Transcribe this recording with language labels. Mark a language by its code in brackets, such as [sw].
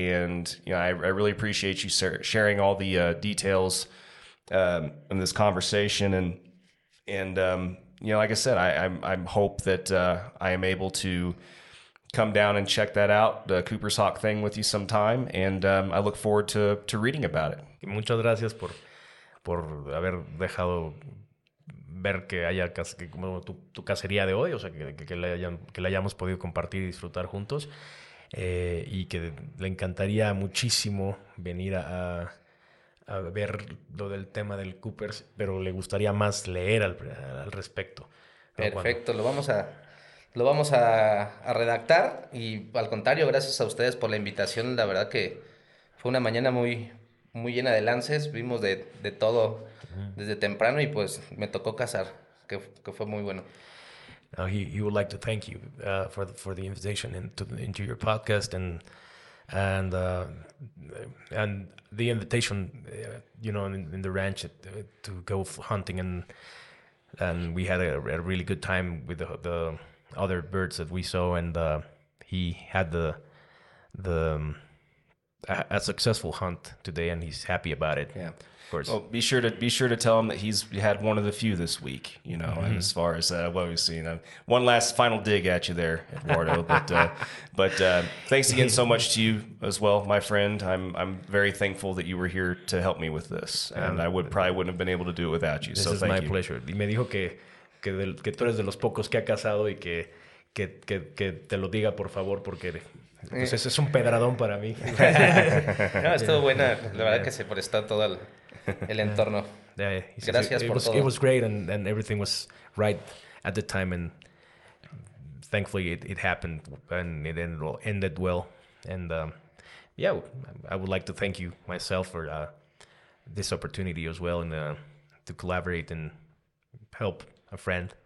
[en] And you know, I really appreciate you sharing all the details in this conversation. And you know, like I said, I'm hope that I am able to come down and check that out, the Cooper's Hawk thing, with you sometime, and I look forward to reading about it. [es] Muchas gracias por haber dejado ver que haya que como tu cacería de hoy, o sea, que la hayamos podido compartir y disfrutar juntos, y que le encantaría muchísimo venir a ver lo del tema del Coopers, pero le gustaría más leer al respecto. Perfecto, bueno, lo vamos a redactar, y al contrario, gracias a ustedes por la invitación. La verdad que fue una mañana muy, muy llena de lances, vimos de todo desde temprano, y pues me tocó cazar, que fue muy bueno. [en] Now he would like to thank you for the invitation into your podcast, and the invitation, you know, in the ranch to go hunting, and we had a really good time with the other birds that we saw, and he had a successful hunt today, and he's happy about it. Yeah, of course. Well, be sure to tell him that he's had one of the few this week. You know, mm-hmm. as far as what we've seen. One last final dig at you there, Eduardo. but thanks again so much to you as well, my friend. I'm very thankful that you were here to help me with this, and I probably wouldn't have been able to do it without you. So thank you. This is my pleasure. [es] Y me dijo que tú eres de los pocos que ha cazado y que te lo diga por favor porque entonces es un pedradón para mí. No, estuvo buena. La verdad que se prestó todo el entorno. [en] Yeah. [es] Gracias por todo. [en] It was great and everything was right at the time and thankfully it happened and it ended well. And yeah, I would like to thank you myself for this opportunity as well and to collaborate and help a friend.